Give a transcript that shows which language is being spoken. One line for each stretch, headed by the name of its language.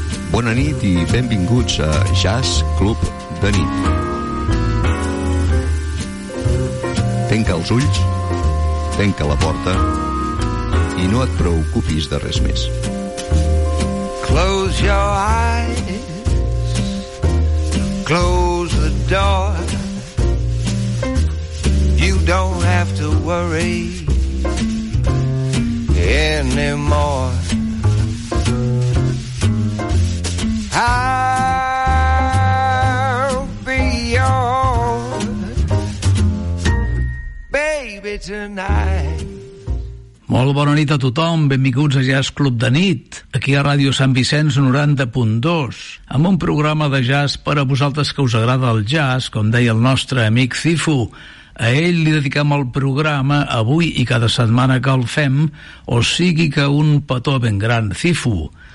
Catalan: Bona nit i benvinguts a Jazz Club de Nit. Tanca els ulls, tanca la porta i no et preocupis de res més.
English: Close your eyes, close the door. You don't have to worry anymore. I'll be yours, baby, tonight.
Catalan: Molt bona nit a tothom, benvinguts a Jazz Club de Nit, aquí a Ràdio Sant Vicenç 90.2, amb un programa de jazz per a vosaltres que us agrada el jazz, com deia el nostre amic Cifu. A ell li dediquem el programa avui i cada setmana que el fem, o sigui que un petó ben gran, Cifu.